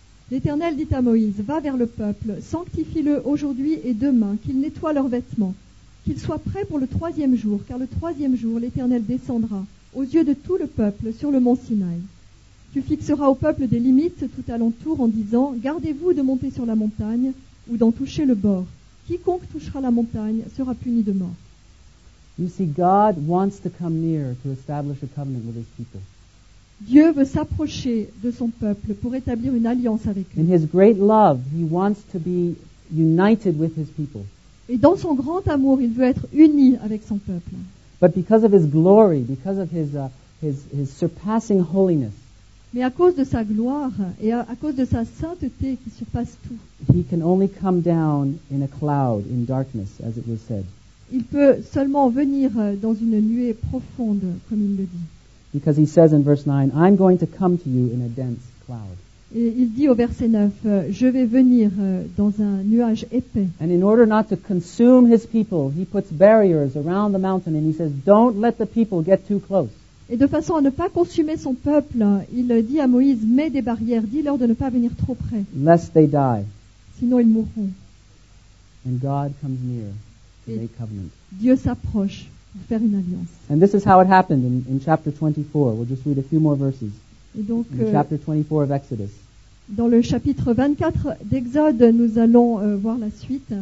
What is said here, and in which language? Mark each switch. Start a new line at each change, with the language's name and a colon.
French: L'Éternel dit à Moïse, va vers le peuple, sanctifie-le aujourd'hui et demain, qu'il nettoie leurs vêtements, qu'il soit prêt pour le troisième jour, car le troisième jour, l'Éternel descendra aux yeux de tout le peuple sur le mont Sinaï. Tu fixeras au peuple des limites tout alentour en disant, gardez-vous de monter sur la montagne ou d'en toucher le bord. Quiconque touchera la montagne sera puni de mort.
English: You see, God wants to come near to establish a covenant with his people.
French: Dieu veut s'approcher de son peuple pour établir une alliance avec eux.
English: In his great love, he wants to be united with his people.
French: Et dans son grand amour, il veut être uni avec son peuple.
English: But because of his glory, because of his surpassing holiness,
French: mais à cause de sa gloire et à cause de sa sainteté qui surpasse tout,
English: he can only come down in a cloud, in darkness, as it was said.
French: Il peut seulement venir dans une nuée profonde, comme il le dit.
English: Because he says in verse 9, I'm going to come to you in a dense cloud.
French: Et il dit au verset 9, je vais venir dans un nuage épais.
English: And in order not to consume his people, he puts barriers around the mountain and he says, don't let the people get too close.
French: Et de façon à ne pas consumer son peuple, il dit à Moïse, mets des barrières, dis-leur de ne pas venir trop près.
English: Lest they die.
French: Sinon ils mourront.
English: And God comes near.
French: Et Dieu s'approche pour faire une alliance.
English: And this is how it happened in chapter 24. We'll just read a few more verses.
French: Et donc,
English: in chapter 24 of Exodus.
French: Dans le chapitre 24 d'Exode, nous allons voir la suite.